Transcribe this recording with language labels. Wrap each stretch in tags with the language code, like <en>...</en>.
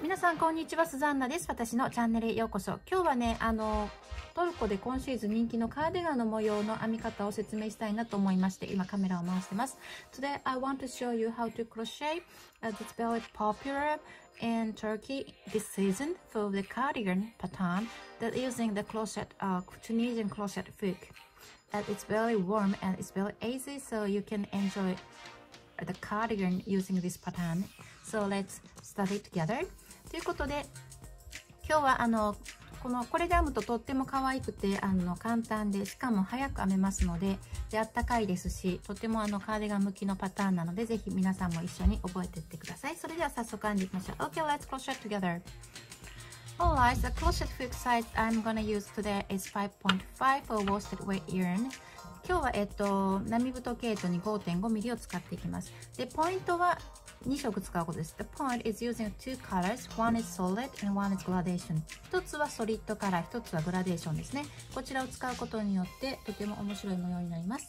<ja>皆さんこんにちは、スザンナです。私のチャンネルへようこそ。今日はね、トルコで今シーズン人気のカーディガンの模様の編み方を説明したいなと思いまして、今カメラを回してます。</ja> <en>Today I want to show you how to crochet this very popular in Turkey this season for the cardigan pattern that using the crochet, Tunisian crochet hook. And it's very warm and it's very easy, so you can enjoy it. The cardigan using this pattern. So let's study together.</en> <ja>ということで、今日はこれで編むととっても可愛くて簡単で、しかも早く編めますので、で暖かいですし、とてもカーディガン向きのパターンなので、ぜひ皆さんも一緒に覚えていってください。それでは早速編んでいきましょう。</ja> <en>Okay, let's crochet together. Alright, the crochet hook size I'm gonna use today is 5.5 for worsted weight yarn.</en> <ja>今日は波太毛糸に 5.5 ミリを使っていきます。で、ポイントは2色使うことです。</ja> <en>The point is using two colors. One is solid and one is gradation.</en> <ja>一つはソリッドカラー、一つはグラデーションですね。こちらを使うことによってとても面白い模様になります。</ja>